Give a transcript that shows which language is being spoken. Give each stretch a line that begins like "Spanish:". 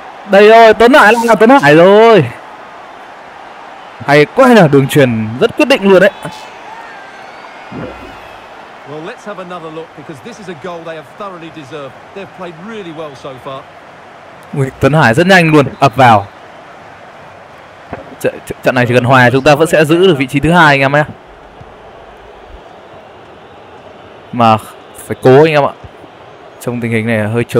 Vietnamese: Đây rồi, Tuấn Hải là Tuấn Hải rồi. Hay quá nhờ, đường chuyền rất quyết định luôn đấy.
English: Well, let's have another look because this is a goal they have thoroughly deserved. They've played really well so far.
Vietnamese: Ui, Tuấn Hải rất nhanh luôn, ập vào. Trận này chỉ cần hòa chúng ta vẫn sẽ giữ được vị trí thứ hai anh em ạ. Mà phải cố anh em ạ. Trong tình hình này hơi chớ